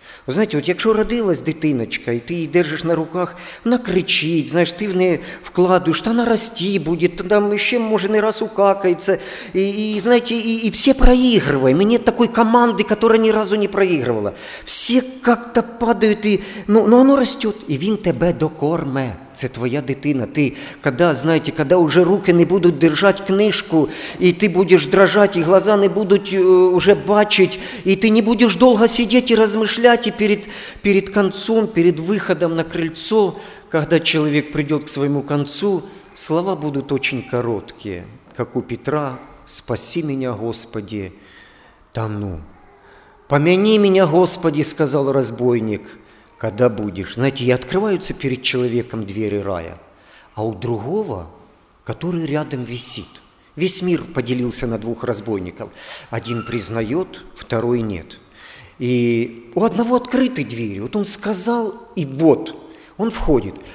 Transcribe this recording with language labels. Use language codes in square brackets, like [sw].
[ru] Вы знаете, вот если родилась дитиночка, и ты ее держишь на руках, она кричит, знаешь, ты в нее вкладываешь, она расти будет, там еще, может, не раз укакается. И все проигрывают. Мне такой команды, которая ни разу не проигрывала. Все как-то падают, но оно растет, и [uk] він тебе докорме. Це твоя дитина. Ти, коли, знаєте, коли вже руки не будуть держати книжку, і ти будеш дрожати, і очі не будуть вже бачити, і ти не будеш довго сидіти і розмишляти перед концом, перед виходом на крильцо, коли чоловік прийде к своєму концу, слова будуть дуже короткі, як у Петра: «Спаси мене, Господи, та ну». «Помяни мене, Господи», – сказав розбойник. [ru] Когда будешь? Знаете, и открываются перед человеком двери рая, а у другого, который рядом висит. Весь мир поделился на двух разбойников. Один признает, второй нет. И у одного открыты двери. Вот он сказал, и вот, он входит.